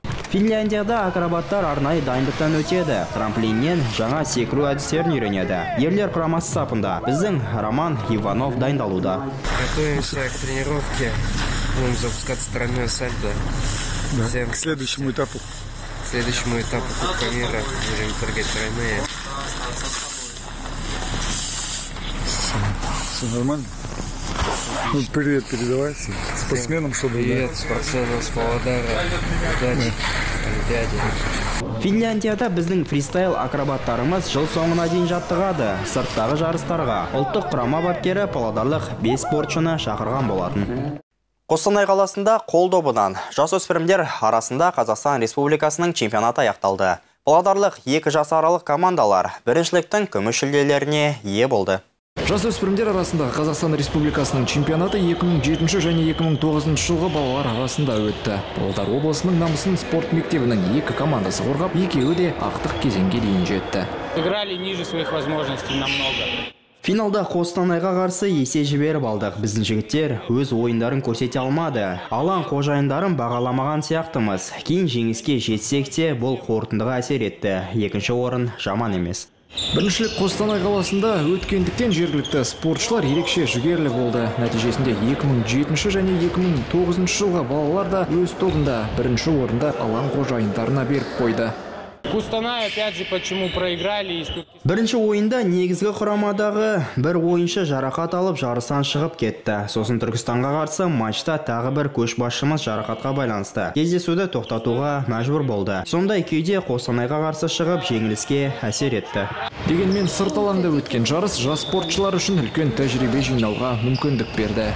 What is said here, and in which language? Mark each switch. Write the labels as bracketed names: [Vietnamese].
[Kazakh] Финляндияда акробаттар арнайы дайындықтан өтеді. Трамплиннен жаңа секіру әдістерін үйренеді. Ерлер құрамасы сапында біздің Роман Иванов дайындалуда. [Russian] Готовимся к тренировке. Будем запускать стороной сальдо. Да. К следующему этапу. К следующему этапу Кубка мира. Будем прыгать тройные. Все нормально? Ну, привет, передавайте. Спортсменам что-то, да? Привет, спортсмену с Павлодара. [Kazakh] Финляндияда біздің фристайл акробаттарымыз жыл соңына дейін жаттығады. Сырттағы жарыстарға ұлттық құрама бапкері павлодарлық 5 спортшыны шақырған болатын. Қостанай қаласында қол добынан жасөспірімдер арасында Қазақстан Республикасының чемпионаты аяқталды. Павлодарлық 2 жас аралық командалар біріншіліктің күміс жүлделеріне ие болды. Жасөспірімдер арасында Қазақстан Республикасының чемпионаты 2007 және 2009 жылғы балалар арасында өтті. Павлодар облысының намысын спорт мектебінің 2 командасы қорғап, екеуі де ақтық кезеңге дейін жетті. [Russian] Играли ниже своих возможностей намного. [Kazakh] Финалда Қостанайға қарсы есе жіберіп алдық. Біздің жігіттер өз ойындарын көрсете алмады. Алаң қожайындарын бағаламаған сияқтымыз. Кейін жеңіске жетсек те, бұл қорытындыға әсер етті. Екінші орын жаман емес. Біріншілік Қостанай қаласында өткендіктен жергілікті спортшылар ерекше жігерлі болды. Нәтижесінде 2007 және 2009 жылғы балалар да өз тобында бірінші орында алаң қожайындарына беріп қойды. [Russian] Кустанай опять же почему проиграли из Туркестана. [Kazakh] Бірінші ойында негізгі құрамадағы бір ойыншы жарақат алып жарысан шығып кетті. Сосын Түркістанға қарсы матчта тағы бір көшбасшымыз жарақатқа байланысты. Кездесуді тоқтатуға мәжбүр болды. Сондай күйде Қостанайға қарсы шығып жеңіліске әсер етті. Дегенмен сырт алаңда өткен жарыс жас спортшылар үшін үлкен тәжірибе жинауға мүмкіндік берді.